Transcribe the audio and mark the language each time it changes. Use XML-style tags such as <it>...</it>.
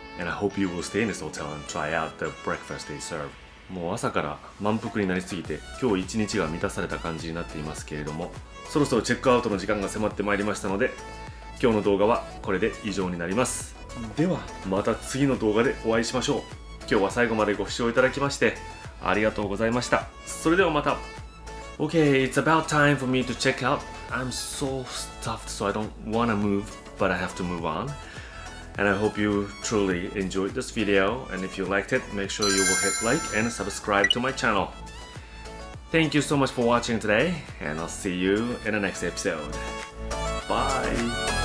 <en>And I hope you will stay in this hotel and try out the breakfast they serve.</en> <ja>もう朝から満腹になりすぎて、今日一日が満たされた感じになっていますけれども、そろそろチェックアウトの時間が迫ってまいりましたので、今日の動画はこれで以上になります。ではまた次の動画でお会いしましょう。今日は最後までご視聴いただきましてありがとうございました。それではまた。</ja> <en>Okay, it's about time for me to check out. I'm so stuffed, so I don't wanna move, but I have to move on. And I hope you truly enjoyed this video. And if you liked it, make sure you will hit like and subscribe to my channel. Thank you so much for watching today, and I'll see you in the next episode. Bye!</en>